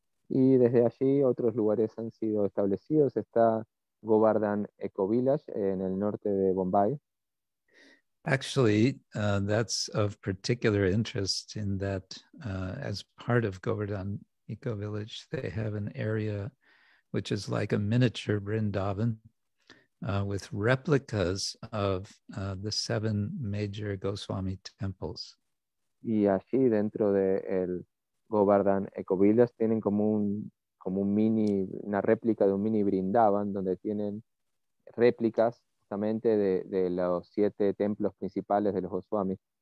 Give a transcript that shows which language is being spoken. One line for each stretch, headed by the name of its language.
Spanish: Y desde allí otros lugares han sido establecidos. Está Govardhan Eco Village en el norte de Bombay.
English: Actually, that's of particular interest in that as part of Govardhan Eco Village, they have an area which is like a miniature Vrindavan with replicas of the seven major Goswami temples.
Spanish: Y allí dentro de el Govardhan Eco Village tienen como un mini, una réplica de un mini Brindavan, donde tienen réplicas justamente de los siete templos principales de los Goswamis.